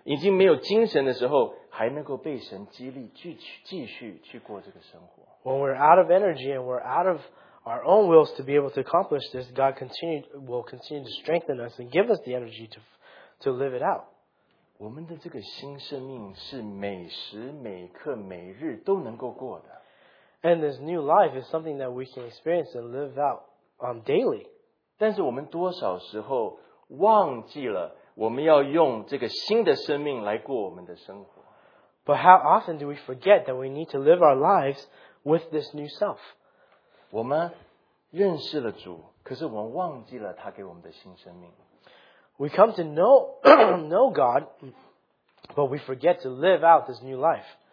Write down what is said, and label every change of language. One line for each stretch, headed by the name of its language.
Chinese: 我们才能够在我们自己已经没有力气的时候,已经没有精神的时候, 还能够被神激励继续去过这个生活。
English: When we're out of energy and we're out of our own wills to be able to accomplish this, God will continue to strengthen us and give us the energy to live it out.
Chinese: 我们的这个新生命是每时每刻每日都能够过的。
English: And this new life is something that we can experience and live out daily.
Chinese: 但是我们多少时候忘记了我们要用这个新的生命来过我们的生活。
English: But how often do we forget that we need to live our lives with this new self?
Chinese: 我们认识了主,可是我们忘记了他给我们的新生命。
English: We come to know God, but we forget to live out this new life.